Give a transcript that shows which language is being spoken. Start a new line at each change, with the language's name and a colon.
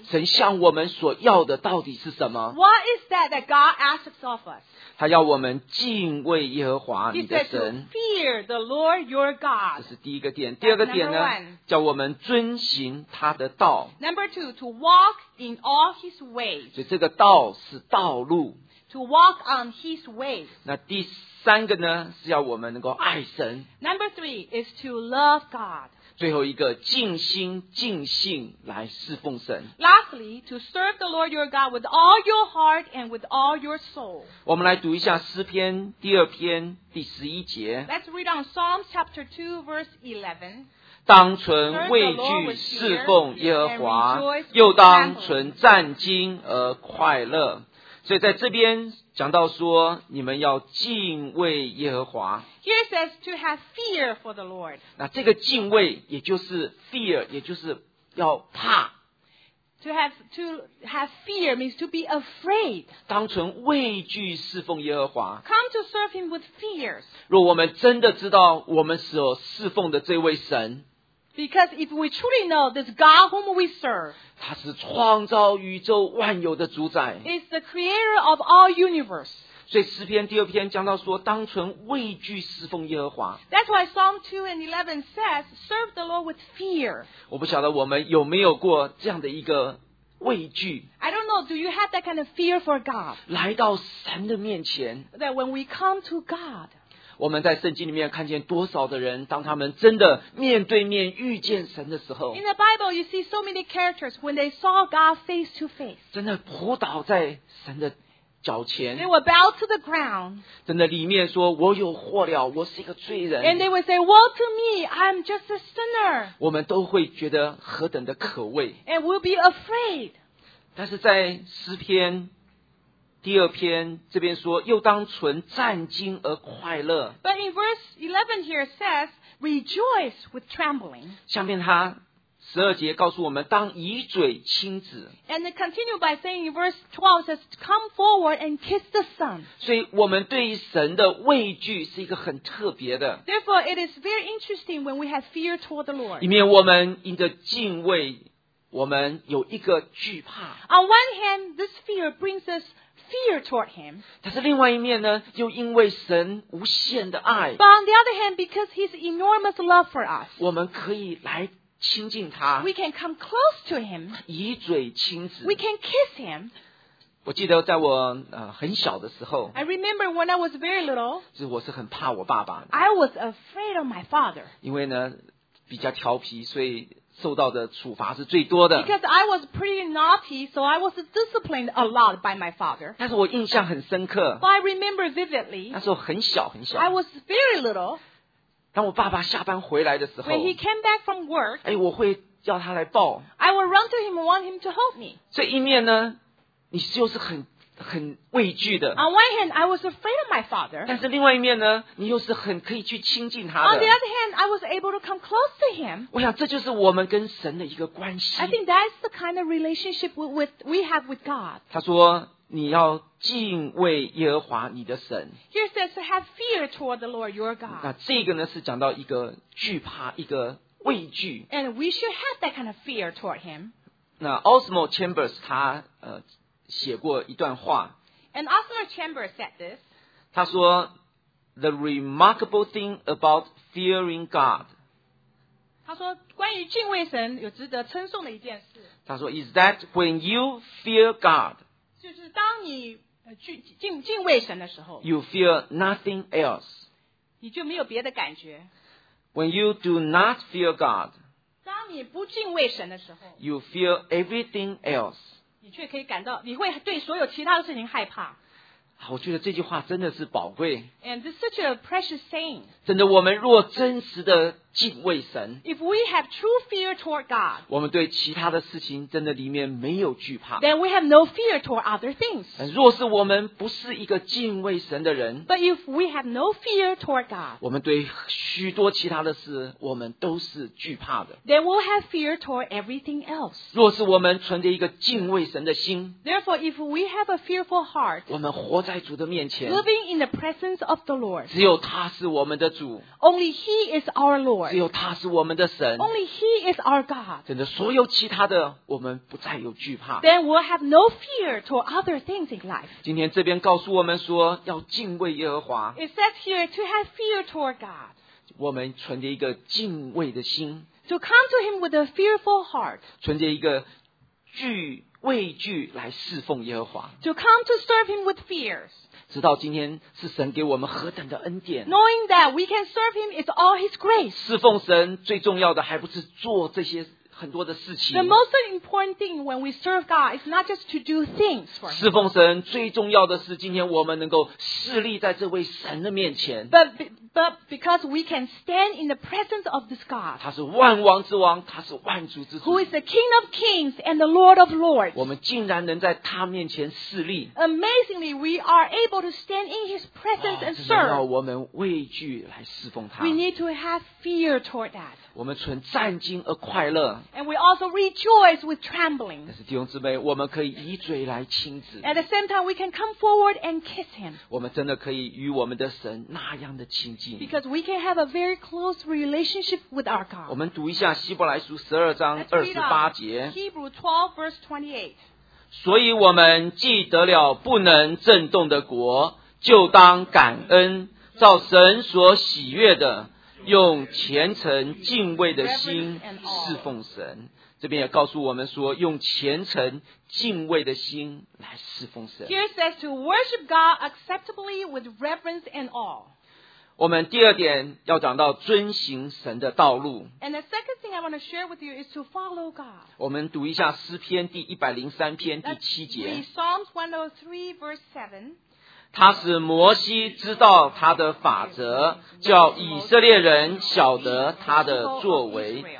Chinese: 神向我们所要的到底是什么？
English: What is that that God asks of us?
Chinese: 他要我们敬畏耶和华你的神。
English: He said to fear the Lord your God.
Chinese: 这是第一个点。第二个点呢？叫我们遵行他的道。
English: Number two, to walk in all his ways.
Chinese: 所以这个道是道路。
English: To walk on his ways.
Chinese: 那第三个呢，是要我们能够爱神。
English: Number three is to love God.
Chinese: 最后一个，尽心尽性来侍奉神。
English: Lastly, to serve the Lord your God with all your heart and with all your soul.
Chinese: 我们来读一下诗篇第二篇第十一节。
English: Let's read on Psalms chapter 2, verse 11.
Chinese: 当存畏惧侍奉耶和华，又当存战兢而快乐。所以在这边讲到说，你们要敬畏耶和华。
English: Here says to have fear for the Lord.
Chinese: 那这个敬畏，也就是 fear， 也就是要怕。
English: To have fear means to be afraid.
Chinese: 当存畏惧侍奉耶和华。
English: Come to serve him with fears.
Chinese: 若我们真的知道我们所侍奉的这位神。
English: Because if we truly know this God whom we serve,
Chinese: 他是创造宇宙万有的主宰。
English: Is the creator of all universe.
Chinese: 所以诗篇第二篇讲到说，当存畏惧侍奉耶和华。
English: That's why Psalm 2 and 11 says, serve the Lord with fear.
Chinese: 我不晓得我们有没有过这样的一个畏惧。
English: I don't know, do you have that kind of fear for God?
Chinese: 来到神的面前。
English: That when we come to God,
Chinese: 我们在圣经里面看见多少的人，当他们真的面对面遇见神的时候
English: ，In the Bible, you see so many characters when they saw God face to face.
Chinese: 真的扑倒在神的脚前
English: ，They would bow to the ground.
Chinese: 真的里面说，我有祸了，我是一个罪人
English: ，And they would say, "Woe to me, I'm just a sinner."
Chinese: 我们都会觉得何等的可畏
English: ，And we'll be afraid.
Chinese: 但是在诗篇。第二篇这边说，又当存战兢而快乐。
English: But in verse 11 here says, rejoice with trembling.
Chinese: 下面他十二节告诉我们，当以嘴亲子。
English: And it continued by saying in verse 12 says, come forward and kiss the son.
Chinese: 所以我们对于神的畏惧是一个很特别的。
English: Therefore, it is very interesting when we have fear toward the Lord.
Chinese: 一面我们因着敬畏，我们有一个惧怕。
English: On one hand, this fear brings us fear toward him.
Chinese: 但是另外一面呢，又因为神无限的爱。
English: But on the other hand, because his enormous love for us,
Chinese: 我们可以来亲近他。
English: We can come close to him.
Chinese: 以嘴亲子。
English: We can kiss him.
Chinese: 我记得在我很小的时候。
English: I remember when I was very little.
Chinese: 就是我是很怕我爸爸。
English: I was afraid of my father.
Chinese: 因为呢，比较调皮，所以。受到的处罚是最多的。
English: Because I was pretty naughty, so I was disciplined a lot by my father.
Chinese: 但是我印象很深刻。
English: But I remember vividly.
Chinese: 那时候很小很小。
English: I was very little.
Chinese: 当我爸爸下班回来的时候。
English: When he came back from work.
Chinese: 哎，我会叫他来抱。
English: I would run to him and want him to hold me.
Chinese: 这一面呢，你就是很畏惧的。
English: On one hand, I was afraid of my father.
Chinese: 但是另外一面呢，你又是很可以去亲近他的。
English: On the other hand, I was able to come close to him.
Chinese: 我想这就是我们跟神的一个关系。
English: I think that's the kind of relationship we have with God.
Chinese: 他说你要敬畏耶和华你的神。
English: Here it says to have fear toward the Lord your God.
Chinese: 那这个呢是讲到一个惧怕，一个畏惧。
English: And we should have that kind of fear toward him.
Chinese: 那 Osmond Chambers 他写过一段话。
English: And Osmond Chambers said this.
Chinese: 他说
English: ,the remarkable thing about fearing God.
Chinese: 他说关于敬畏神有值得称颂的一件事。他说
English: ,is that when you fear God,
Chinese: 就是当你敬畏神的时候
English: ,you fear nothing else.
Chinese: 你就没有别的感觉。
English: When you do not fear God,
Chinese: 当你不敬畏神的时候
English: ,you fear everything else.
Chinese: 你却可以感到你会对所有其他的事情害怕。我觉得这句话真的是宝贵。
English: And this is such a precious saying.
Chinese: 真的，我们若真实的敬畏神，
English: If we have true fear toward God,
Chinese: 我们对其他的事情真的里面没有惧怕。
English: Then we have no fear toward other things.
Chinese: 若是我们不是一个敬畏神的人，
English: But if we have no fear toward God,
Chinese: 我们对许多其他的事我们都是惧怕的。
English: Then we'll have fear toward everything else.
Chinese: 若是我们存着一个敬畏神的心，
English: Therefore, if we have a fearful heart,
Chinese: 我们活在主的面前，
English: Living in the presence of the Lord,
Chinese: 只有他是我们的主，
English: Only he is our Lord.
Chinese: 只有他是我们的神。
English: Only He is our God.
Chinese: 真的，所有其他的我们不再有惧怕。
English: Then we'll have no fear toward other things in life.
Chinese: 今天这边告诉我们说要敬畏耶和华。
English: It says here to have fear toward God.
Chinese: 我们存着一个敬畏的心。
English: To come to Him with a fearful heart.
Chinese: 存着一个畏惧来侍奉耶和华。
English: To come to serve Him with fears.
Chinese: 知道今天是神给我们何等的恩典。
English: Knowing that we can serve Him is all His grace.
Chinese: 侍奉神最重要的还不是做这些很多的事情。
English: The most important thing when we serve God is not just to do things for Him.
Chinese: 侍奉神最重要的是今天我们能够侍立在这位神的面前。
English: But because we can stand in the presence of this God.
Chinese: 他是万王之王，他是万主之主。
English: Who is the King of Kings and the Lord of Lords.
Chinese: 我们竟然能在他面前侍立。
English: Amazingly, we are able to stand in His presence and serve.
Chinese: 真的要我们畏惧来侍奉他。
English: We need to have fear toward that.
Chinese: 我们存战惊而快乐。
English: And we also rejoice with trembling.
Chinese: 但是弟兄姊妹，我们可以以嘴来亲子。
English: At the same time, we can come forward and kiss Him.
Chinese: 我们真的可以与我们的神那样的亲。
English: Because we can have a very close relationship with our God.
Chinese: 我们读一下希伯来书十二章二十八节。
English: Hebrew 12 verse 28.
Chinese: 所以我们既得了不能震动的国，就当感恩，照神所喜悦的，用虔诚敬畏的心侍奉神。这边也告诉我们说，用虔诚敬畏的心来侍奉神。
English: Here says to worship God acceptably with reverence and awe.
Chinese: 我们第二点要讲到遵行神的道路。
English: And the second thing I want to share with you is to follow God.
Chinese: 我们读一下诗篇第103篇第七节。
English: Read Psalms 103 verse 7.
Chinese: 他使摩西知道他的法则，叫以色列人晓得他的作为。